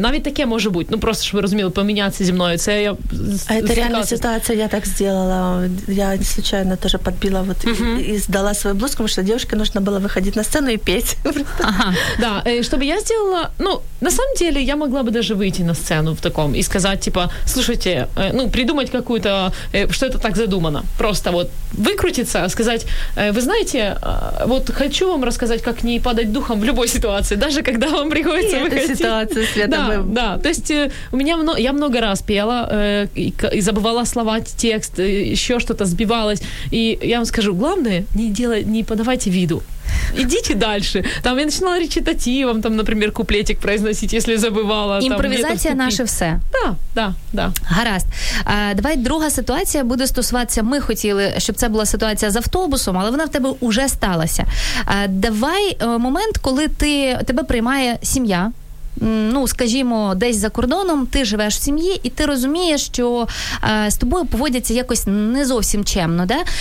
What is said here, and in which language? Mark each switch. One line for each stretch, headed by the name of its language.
Ukrainian: Навіть таке може бути. Ну, просто, щоб ви розуміли, помінятися зі мною. Це я, а це реальна ситуація, я так зробила.
Russian: Я случайно тоже подбила вот и сдала свою блузку, потому что девушке нужно было выходить на сцену и петь. Ага. Да, чтобы я сделала... Ну, на самом деле, я могла бы даже выйти на сцену в таком и сказать, типа, слушайте, ну, придумать какую-то... Что это так задумано? Просто вот выкрутиться, сказать, вы знаете, вот хочу вам рассказать, как не падать духом в любой ситуации, даже когда вам приходится и выходить. И эту ситуацию, Света, да, мы... Да, то есть у меня я много раз пела и забывала слова, те, еще что-то сбивалось. И я вам скажу, главное, не подавайте виду. Идите дальше. Там я начинала речитативом, там, например, куплетик произносить, если забывала. Импровизация там, наше все. Да, да, да.
Ukrainian: Гаразд. Давай друга ситуація буде стосуватися. Ми хотіли, щоб це була ситуація з автобусом, але вона в тебе уже сталася. Давай момент, коли тебе приймає сім'я. ну, скажімо, десь за кордоном, ти живеш в сім'ї, і ти розумієш, що з тобою поводяться якось не зовсім чемно, да?